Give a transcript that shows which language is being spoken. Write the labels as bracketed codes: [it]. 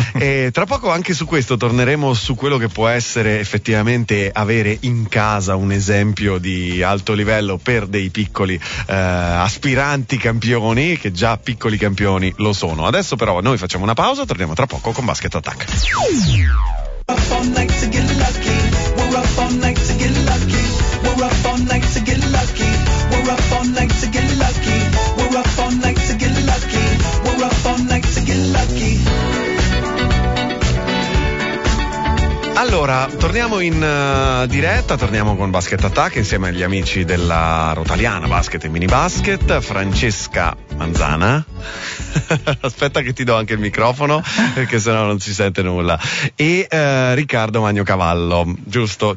[it] E tra poco anche su questo torneremo, su quello che può essere effettivamente avere in casa un esempio di alto livello per dei piccoli aspiranti campioni, che già piccoli campioni lo sono. Adesso però noi facciamo una pausa, torniamo tra poco con Basket Attack. [en] Up all night to get lucky, we're up all night to get lucky, we're up all night to get lucky, we're up all night to get lucky, we're up all night to get lucky, we're up all night to get lucky. [it] Allora, torniamo in diretta, torniamo con Basket Attack insieme agli amici della Rotaliana Basket e Mini Basket, Francesca Manzana. Aspetta che ti do anche il microfono, perché sennò non si sente nulla. E Riccardo Magno Cavallo, giusto?